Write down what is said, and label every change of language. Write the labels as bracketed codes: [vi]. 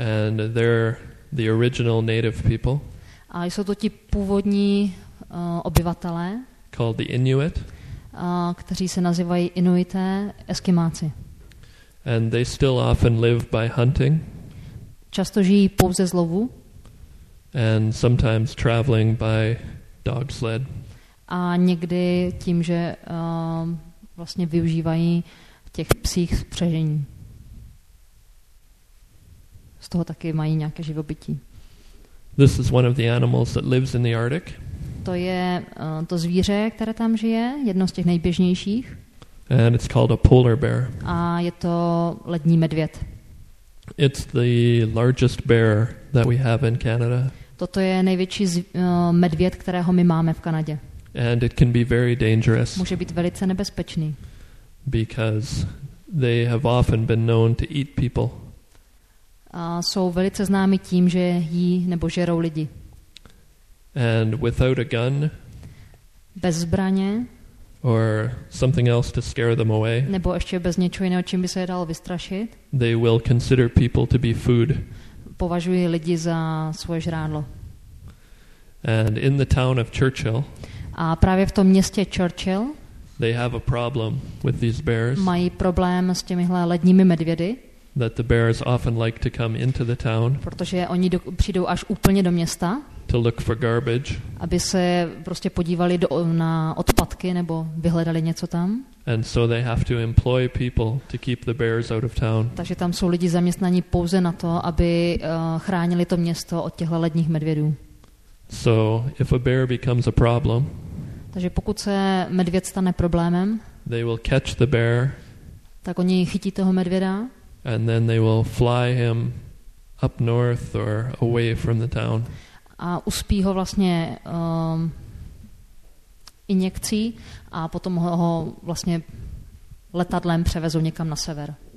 [en] And they're the original native people. [cs] A jsou to ti původní obyvatelé, [en] called the Inuit, [cs] kteří se nazývají Inuité, Eskimáci. [en] And they still often live by hunting. [cs] Často žijí pouze z lovu. [en] And sometimes traveling by dog sled. [cs] A někdy tím, že vlastně využívají těch psích spřežení. Z toho taky mají nějaké živobytí. [en] This is one of the animals that lives in the Arctic. [cs] To je to zvíře, které tam žije, jedno z těch nejběžnějších. [en] And it's called a polar bear. [cs] A je to lední medvěd. [en] It's the largest bear that we have in Canada. [cs] Toto je největší medvěd, kterého my máme v Kanadě. [en] And it can be very dangerous. [cs] Může být velice nebezpečný. [en] Because they have often been known to eat people. [cs] A jsou velice známi tím, že jí nebo žerou lidi. [en] And without a gun, [cs] bez zbraně, [en] or something else to scare them away, [cs] nebo ještě bez něčeho jiného, čím by se je dalo vystrašit, [en] they will consider people to be food. [cs] Považují lidi za svoje žrádlo. [en] And in the town of Churchill, [cs] a právě v tom městě Churchill, [en] they have a problem with these bears. [cs] Mají problém s těmihle ledními medvědy. [en] That the bears often like to come into the town. [cs] Protože oni přijdou až úplně do města. [en] To look for garbage. [cs] Aby se prostě podívali na odpadky nebo vyhledali něco tam. [en] And so they have to employ people to keep the bears out of town. [cs] Takže tam jsou lidi zaměstnaní pouze na to, aby chránili to město od těchhle ledních medvědů. [en] So if a bear becomes a problem. [cs] Takže pokud se medvěd stane problémem. [en] They will catch the bear. [cs] Tak oni chytí toho medvěda. [en] And then they will fly him up north or away from the town. [cs] A uspí ho vlastně injekcí a potom ho vlastně letadlem převezou někam na sever.